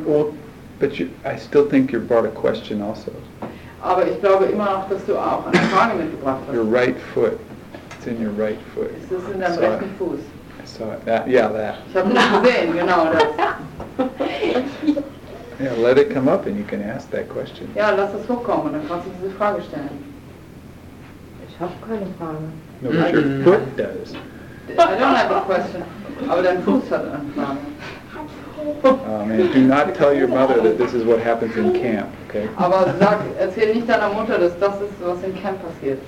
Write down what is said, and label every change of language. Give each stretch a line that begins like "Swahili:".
English: Well, but you, I still think you brought a question also.
German: Aber ich glaube immer noch, dass du auch eine Frage mitgebracht hast.
English: Your right foot. It's in your right foot.
German: Ist das in deinem rechten Fuß?
English: I saw it. That, yeah, that.
German: Ich habe das gesehen, genau das.
English: Yeah, let it come up and you can ask that question.
German: Ja, lass es hochkommen, dann kannst du diese Frage stellen. Ich habe keine Frage.
English: No, but your foot does. I don't have a question.
German: Aber dein Fuß hat eine Frage.
English: Oh man, do not tell your mother that this is what happens in camp, okay?
German: Aber sag, erzähl nicht deiner Mutter, dass das ist, was in Camp passiert.